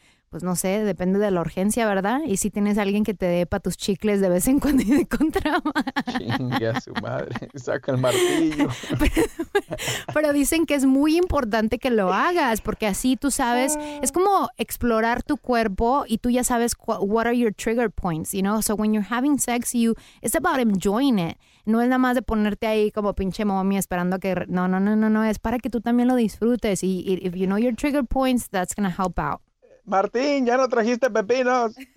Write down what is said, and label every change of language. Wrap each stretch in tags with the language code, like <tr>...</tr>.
<es>Pues no sé, depende de la urgencia, ¿verdad? Y si tienes a alguien que te dé para tus chicles de vez en cuando y de contrama. Chingue a su madre, saca el martillo. Pero dicen que es muy importante que lo hagas, porque así tú sabes, es como explorar tu cuerpo y tú ya sabes</es> <en>what are your trigger points, you know? So when you're having sex, it's about enjoying it.</en> <es>No es nada más de ponerte ahí como pinche mommy esperando que... No, es para que tú también lo disfrutes.</es> <en>Y if you know your trigger points, that's going to help out.</en> <es>Martín, ya no trajiste pepinos.</es>